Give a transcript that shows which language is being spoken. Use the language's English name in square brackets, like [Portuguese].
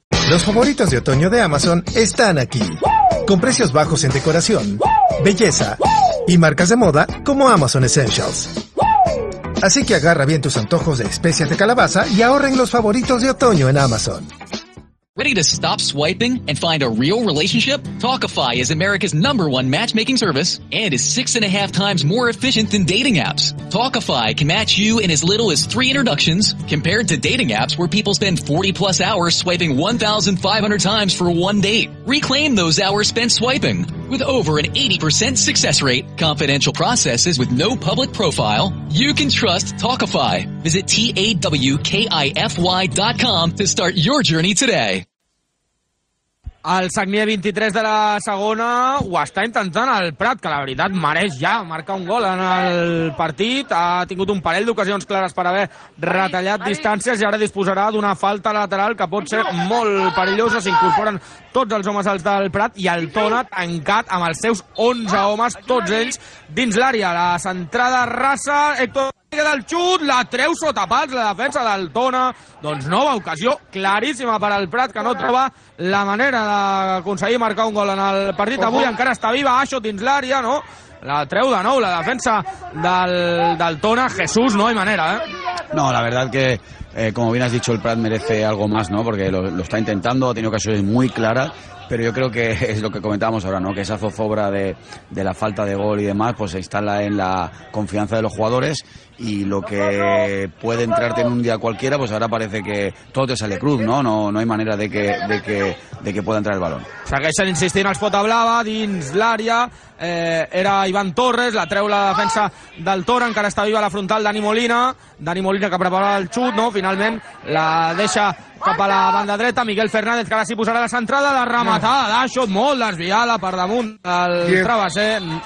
[Spanish] Los favoritos de otoño de Amazon están aquí, con precios bajos en decoración, belleza y marcas de moda como Amazon Essentials. Así que agarra bien tus antojos de especias de calabaza y ahorren los favoritos de otoño en Amazon. [English] Ready to stop swiping and find a real relationship? Talkify is America's number one matchmaking service and is 6.5 times more efficient than dating apps. Talkify can match you in as little as 3 introductions compared to dating apps where people spend 40 plus hours swiping 1,500 times for one date. Reclaim those hours spent swiping. With over an 80% success rate, confidential processes with no public profile, you can trust Talkify. Visit TAWKIFY.com to start your journey today. [Catalan] El Sagnia 23 de la segona ho està intentant el Prat, que la veritat mereix ja marcar un gol en el partit. Ha tingut un parell d'ocasions clares per haver retallat distàncies i ara disposarà d'una falta lateral que pot ser molt perillosa. S'incorporen tots els homes als del Prat i el Tona tancat amb els seus 11 homes, tots ells dins l'àrea. La centrada rasa, Héctor queda el xut, la treu sota pals, la defensa del Tona, doncs nova ocasió claríssima per al Prat, que no troba la manera d'aconseguir marcar un gol en el partit d'avui. Encara està viva Aixo dins l'àrea, no? La treu de nou, la defensa del Tona. [Spanish] Jesús, no hay manera, ¿eh? No, la verdad que, como bien has dicho, el Prat merece algo más, ¿no? Porque lo está intentando, ha tenido ocasiones muy claras, pero yo creo que es lo que comentábamos ahora, ¿no? Que esa zozobra de la falta de gol y demás, pues se instala en la confianza de los jugadores, y lo que puede entrarte en un día cualquiera, pues ahora parece que todo te sale cruz, ¿no? No hay manera de que pueda entrar el balón. [Catalan] Segueixen insistint els Pota Blava dins l'àrea. Era Ivan Torres, la treu la defensa del Tora, encara està viva la frontal Dani Molina que prepara el xut, no? Finalment la deixa cap a la banda dreta, Miguel Fernández, que ara s'hi posarà la centrada, la rematada d'Aixo, molt desviada per damunt del travesser.